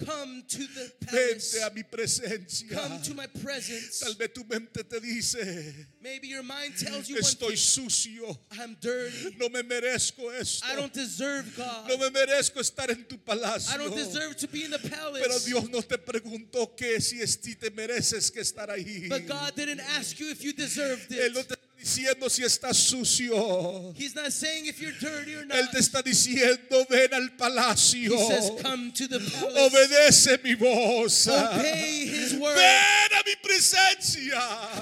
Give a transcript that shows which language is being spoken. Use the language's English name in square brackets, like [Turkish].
[English] Come to the palace. [Spanish] Vente a mi presencia. [English] Come to my presence. [Spanish] Tal vez tu mente te dice, [English] maybe your mind tells you, [Spanish] estoy [English] one thing, [Spanish] sucio. [English] I'm dirty. [Spanish] No me merezco esto. [English] I don't deserve God. [Spanish] No me merezco estar en tu palacio. [English] I don't deserve to be in the palace. [Spanish] Pero Dios no te preguntó que si es ti te mereces que estar ahí. [English] But God didn't ask you if you deserved it. [Spanish] Él no te diciendo si estás sucio. [English] He's not saying if you're dirty or not. [Spanish] Él te está diciendo, ven al palacio. [English] He says, come to the palace. [Spanish] Obedece mi voz. [English] Obey his word. [Spanish] Ven a mi presencia.